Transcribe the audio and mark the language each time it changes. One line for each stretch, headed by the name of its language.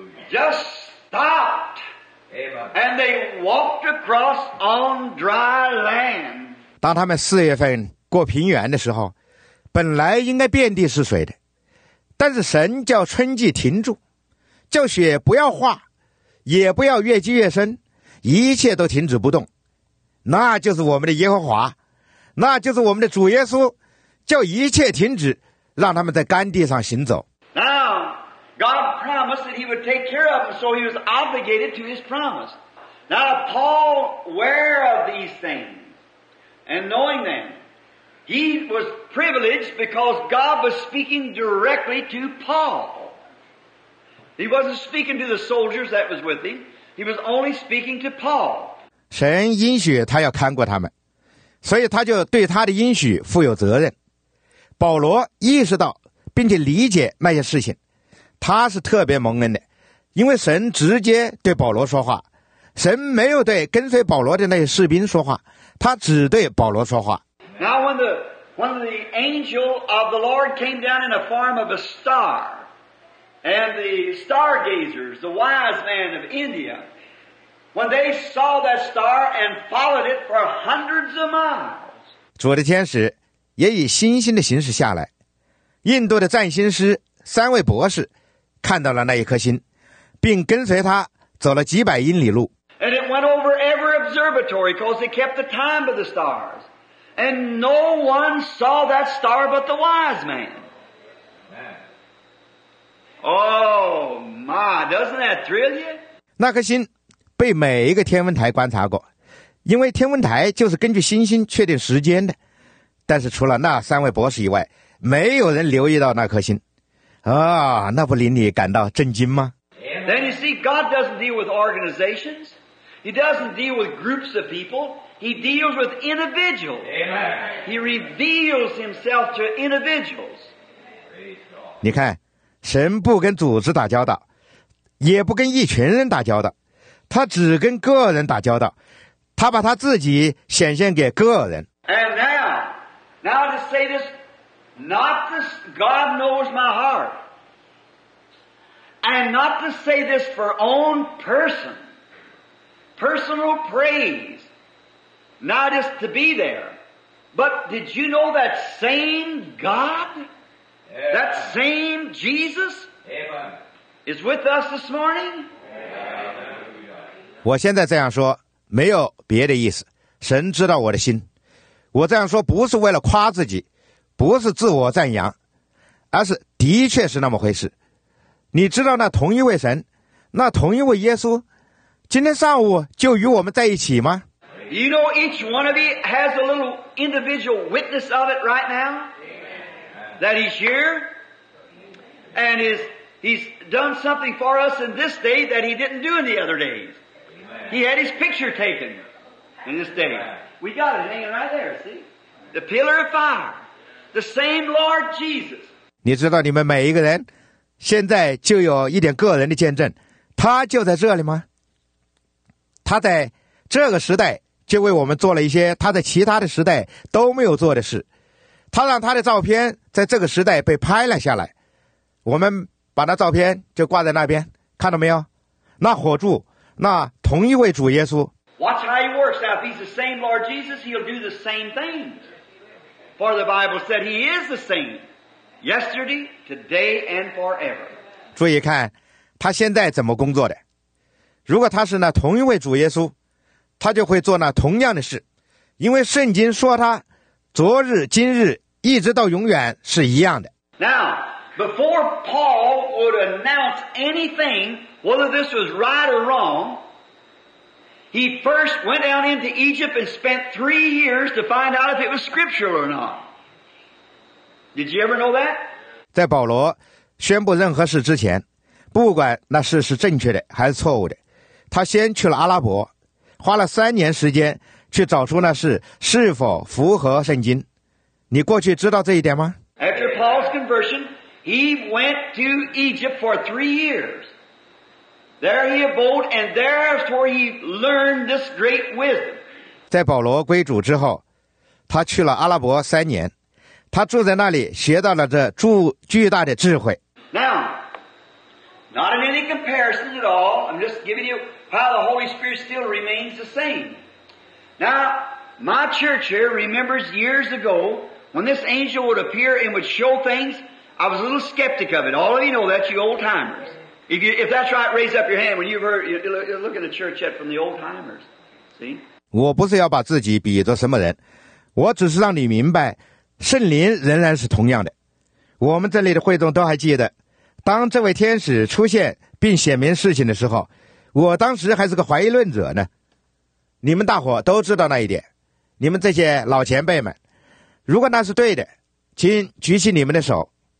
English: Just stopped. Amen. And they walked across on dry land.
Chinese: 当他们四月份过平原的时候，本来应该遍地是水的，但是神叫春季停住，叫雪不要化，也不要越积越深，一切都停止不动。那就是我们的耶和华，那就是我们的主耶稣，叫一切停止，让他们在干地上行走。
English: God promised that he would take care of them, so he was obligated to his promise. Now, Paul, aware of these things and knowing them, he was privileged because God was speaking directly to Paul. He wasn't speaking to the soldiers that was with him. He was only speaking to Paul.
Chinese: 神应许他要看过他们，所以他就对他的应许负有责任。保罗意识到并且理解那些事情，他是特别蒙恩的，因为神直接对保罗说话，神没有对跟随保罗的那些士兵说话，他只对保罗说话。
English: Now when the angel of the Lord came down in the form of a star, and the stargazers, the wise men of India, when they saw that star and followed it for hundreds of miles,
Chinese: 主的天使也以星星的形式下来，印度的占星师三位博士看到了那一颗星，并跟随他走了几百英里路。
English: And it went over every observatory because they kept the time of the stars. And no one saw that star but the wise man. Oh my, doesn't that thrill you?
Chinese: 那颗星被每一个天文台观察过，因为天文台就是根据星星确定时间的。但是除了那三位博士以外，没有人留意到那颗星。啊，那不令你感到震惊吗？
English: Then you see, God doesn't deal with organizations. He doesn't deal with groups of people. He deals with individuals. Amen. He reveals himself to individuals.
Chinese: 你看，神不跟组织打交道，也不跟一群人打交道，他只跟个人打交道，他把他自己显现给个人。
English: And now to say this, not this, God knows my heart. And not to say this for own person, personal praise, not just to be there. But did you know that same God, Amen. That same Jesus, Amen. Is with us this morning?
Chinese: Amen. 我现在这样说没有别的意思，神知道我的心。我这样说不是为了夸自己，不是自我赞扬，而是的确是那么回事。你知道那同一位神，那同一位耶稣，今天上午就与我们在一起吗？
English: You know each one of you has a little individual witness of it right now. That he's here. And he's done something for us in this day that he didn't do in the other days. He had his picture taken in this day. We got it hanging right there, see? The pillar of fire. The same Lord Jesus.
Chinese: 你知道你们每一个人现在就有一点个人的见证，他就在这里吗？他在这个时代就为我们做了一些他在其他的时代都没有做的事。他让他的照片在这个时代被拍了下来，我们把那照片就挂在那边，看到没有？那火柱，那同一位主耶稣。
English: Watch how he works. Now, if he's the same Lord Jesus, he'll do the same thing. For the Bible said he is the same. Yesterday, today, and forever.
Chinese: 注意看，他现在怎么工作的？如果他是那同一位主耶稣，他就会做那同样的事，因为圣经说他昨日、今日、一直到永远是一样的。
English: Now, before Paul would announce anything, whether this was right or wrong, he first went down into Egypt and spent 3 years to find out if it was scriptural or not. Did you ever know that?
Chinese: 在保罗宣布任何事之前，不管那事是正确的还是错误的，他先去了阿拉伯，花了3年时间去找出那事是否符合圣经。你过去知道这一点吗？
English: After Paul's conversion, he went to Egypt for 3 years. There he abode, and therefore he learned this great wisdom.
Chinese: 在保罗归主之后，他去了阿拉伯3年。他住在那里，学到了这巨大的智慧。
English: Now, not in any comparison at all, I'm just giving you how the Holy Spirit still remains the same. Now, my church here remembers years ago, when this angel would appear and would show things, I was a little skeptic of it. All of you know that, you old timers. If that's right, raise up your hand when you've heard, you're looking at the church yet from the old timers. See?
Chinese: 我不是要把自己比作什么人，我只是让你明白圣灵仍然是同样的。我们这里的会众都还记得，当这位天使出现并显明事情的时候，我当时还是个怀疑论者呢。你们大伙都知道那一点，你们这些老前辈们，如果那是对的，请举起你们的手。